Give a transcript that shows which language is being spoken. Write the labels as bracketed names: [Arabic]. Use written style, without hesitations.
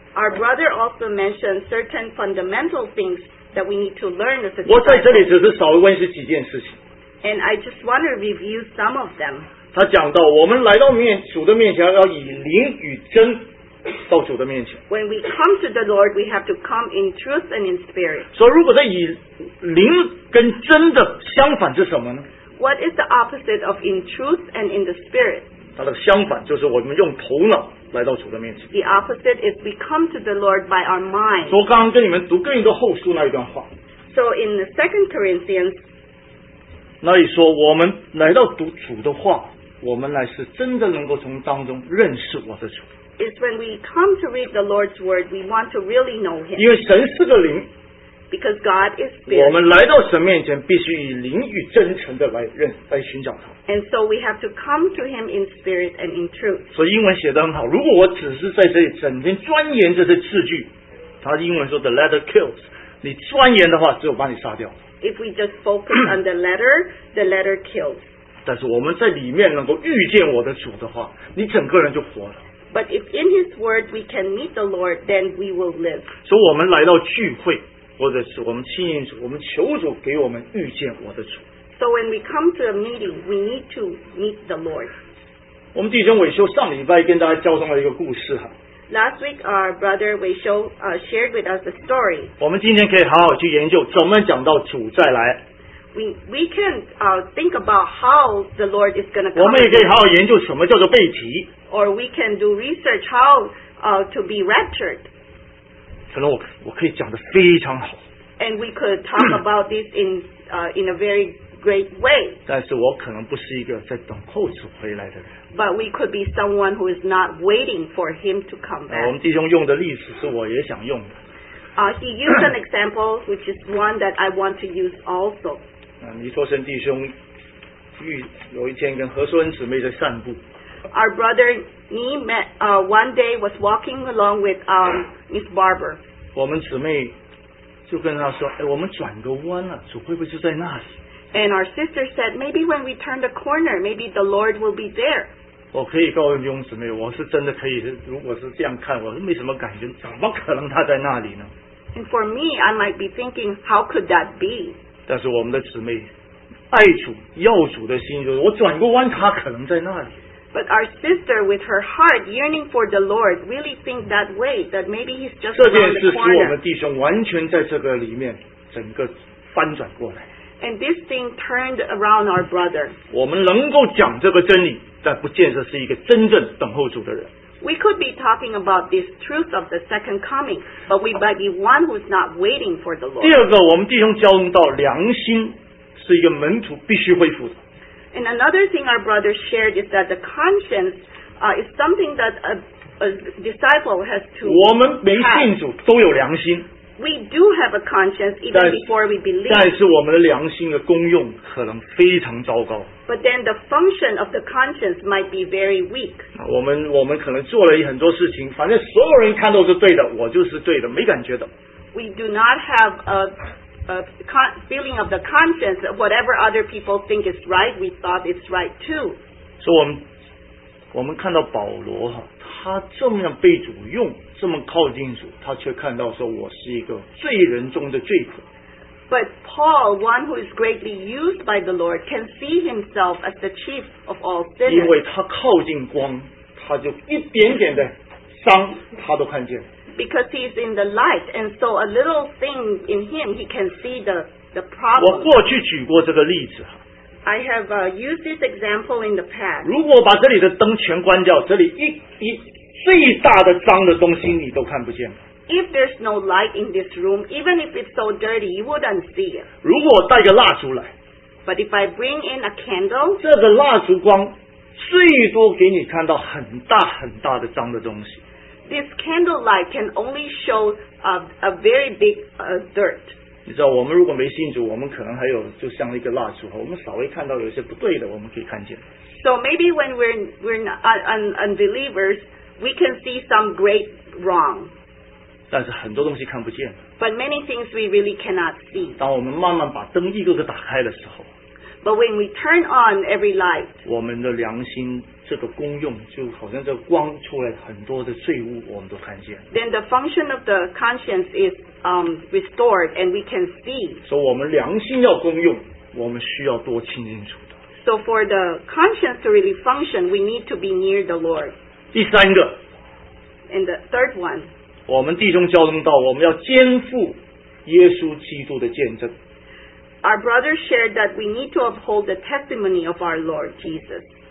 [English] Our brother also mentioned certain fundamental things that we need to learn as a disciple [Chinese] 我在这里只是稍微温习几件事情 [English] And I just want to review some of them [Chinese] 他讲到我们来到面主的面前要以灵与真到主的面前 [English] When we come to the Lord we have to come in truth and in spirit [Chinese] 所以如果在以灵跟真的相反是什么呢 [English] What is the opposite of in truth and in the spirit? [Chinese] 它的相反就是我们用头脑来到主的面前。 [English] The opposite is we come to the Lord by our mind. [Chinese] 所以我刚刚跟你们读更一个后书那一段话。 [English] So in the Second Corinthians, [Chinese] 那里说我们来到读主的话，我们乃是真的能够从当中认识我的主。 [English] It's when we come to read the Lord's word, we want to really know Him. [Chinese] 因为神是个灵。 [English] Because God is spirit. [Chinese] 我们来到神面前必须以灵与真诚的 来寻找他。 [English] And so we have to come to him in spirit and in truth. [Chinese] 所以英文写得很好。如果我只是在这里整天钻研这些字句，他英文说 [English] the letter kills. [Chinese] 你钻研的话只有把你杀掉。 [English] If we just focus on the letter, the letter kills. [Chinese] 但是我们在里面能够遇见我的主的话，你整个人就活了。 [English] But if in his word we can meet the Lord, then we will live. [Chinese] 所以我们来到聚会。或者是我们亲近主，我们求主给我们遇见我的主。 [English] So when we come to a meeting, we need to meet the Lord. [Chinese] 我们弟兄伟修上礼拜跟大家交通了一个故事哈。 [English] Last week, our brother Wei Xiu shared with us a story. [Chinese] 我们今天可以好好去研究怎么讲到主再来。 [English] We can think about how the Lord is going to come. [Chinese] 我们也可以好好研究什么叫做被提。 [English] Or we can do research how to be raptured. [Chinese] 可能我可以讲得非常好 [English] and we could talk about this in a very great way [Chinese] 但是我可能不是一个在等候主回来的人 [English] but we could be someone who is not waiting for him to come back [Chinese] 我们弟兄用的例子是我也想用的 [English] he used an example which is one that I want to use also [Chinese] 尼托森弟兄有一天跟何淑恩姊妹在散步 [English] our brother Ni met one day was walking along with Miss Barber. [Chinese] 我们姊妹就跟她说，哎，我们转个弯了，主会不会就在那里？ [English] And our sister said, maybe when we turn the corner, maybe the Lord will be there. [Chinese] 我可以告诉弟兄姊妹，我是真的可以，如果是这样看，我是没什么感觉，怎么可能他在那里呢？ [English] And for me, I might be thinking, how could that be? [Chinese] 但是我们的姊妹爱主要主的心，就是我转个弯，他可能在那里。 [English] But our sister, with her heart yearning for the Lord, really thinks that way, that maybe he's just around the corner. [Chinese] 这件事使我们弟兄完全在这个里面整个翻转过来。 [English] And this thing turned around our brother. [Chinese] 我们能够讲这个真理，但不见得是一个真正等候主的人。 [English] We could be talking about this truth of the second coming, but we might be one who's not waiting for the Lord. [Chinese] 第二个，我们弟兄教导到良心是一个门徒必须恢复的。 [English] And another thing our brother shared is that the conscience is something that a disciple has to have. [Chinese] 我们没信主都有良心。 [English] We do have a conscience even before we believe. [Chinese] 但是我们的良心的功用可能非常糟糕。 [English] But then the function of the conscience might be very weak. [Chinese] 我们可能做了很多事情，反正所有人看都是对的，我就是对的，没感觉的。 [English] We do not have feeling of the conscience of whatever other people think is right we thought it's right too [Chinese] 所以我们看到保罗他这么被主用这么靠近主他却看到说我是一个罪人中的罪人 [English] but Paul one who is greatly used by the Lord can see himself as the chief of all sinners [Chinese] 因为他靠近光他就一点点的伤他都看见 [English] Because he's in the light, and so a little thing in him, he can see the problem. [Chinese] 我过去举过这个例子。 [English] I have used this example in the past. [Chinese] 如果把这里的灯全关掉，这里一最大的脏的东西你都看不见。 [English] If there's no light in this room, even if it's so dirty, you wouldn't see it. [Chinese] 如果我带个蜡烛来。 [English] But if I bring in a candle, [Chinese] 这个蜡烛光最多给你看到很大很大的脏的东西。 [English] This candlelight can only show a very big dirt. [Chinese] 你知道我们如果没信主，我们可能还有就像一个蜡烛，我们稍微看到有些不对的，我们可以看见。 [English] So maybe when we're unbelievers, we can see some great wrong. [Chinese] 但是很多东西看不见。 [English] But many things we really cannot see. [Chinese] 当我们慢慢把灯一个个打开的时候。 [English] But when we turn on every light, [Chinese] 我们的良心这个功用就好像这光出来很多的罪物我们都看见。 [English] Then the function of the conscience is restored and we can see. [Chinese] 所以我们良心要功用，我们需要多清清楚的。 [English] So for the conscience to really function, we need to be near the Lord. [Chinese] 第三个。 [English] And the third one. [Chinese] 我们弟兄交通道，我们要肩负耶稣基督的见证。 [English] Our brother shared that we need to uphold the testimony of our Lord Jesus.